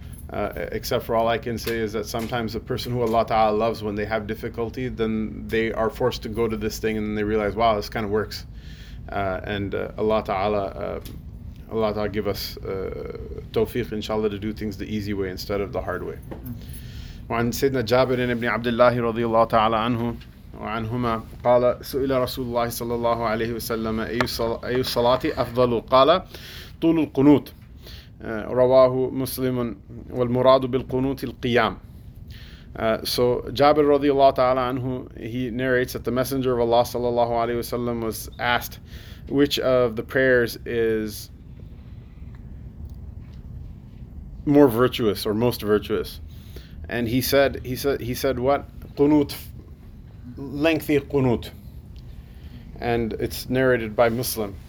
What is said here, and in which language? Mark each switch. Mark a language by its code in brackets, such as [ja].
[en] Except for all I can say is that sometimes a person who Allah Ta'ala loves, when they have difficulty, then they are forced to go to this thing and they realize, wow, this kind of works. Allah Ta'ala give us tawfiq, inshallah, to do things the easy way instead of the hard way. [ar] وعن سيدنا جابر بن عبد الله رضي الله تعالى عنه وعنهما قال سئل رسول الله صلى الله عليه وسلم أي الصلاة أفضل قال طول القنوت رواه مسلم والمراد بالقنوت القيام. [en] So Jabir radiallahu ta'ala anhu, he narrates that the Messenger of Allah sallallahu alayhi wasallam was asked which of the prayers is more virtuous or most virtuous, and he said what qunut, lengthy qunut, and it's narrated by Muslim.